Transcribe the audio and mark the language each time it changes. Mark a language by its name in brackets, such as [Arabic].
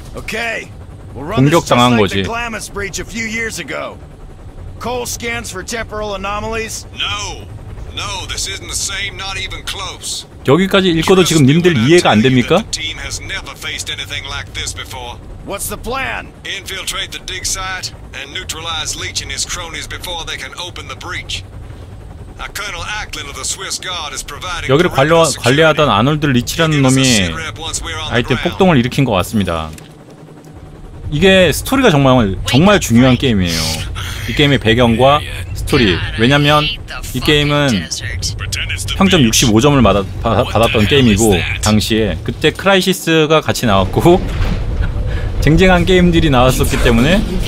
[English] Okay, we'll run this just like the Glamis breach a few years ago. Cole scans for temporal anomalies? No, no, this isn't the same, not even close. [Korean] 여기까지 읽고도 지금 님들 이해가 안 됩니까? [English] What's the plan? Infiltrate the dig site and neutralize Leech and his cronies before they can open the breach. A Colonel Acklin of the Swiss Guard is providing. [Korean] 여기를 관리하던 아놀드 리치라는 놈이 하여튼 폭동을 일으킨 것 같습니다. 이게 스토리가 정말 중요한 게임이에요. 이 게임의 배경과 스토리. 왜냐면 이 게임은 평점 65점을 받았던 게임이고 당시에 그때 크라이시스가 같이 나왔고 쟁쟁한 게임들이 나왔었기 때문에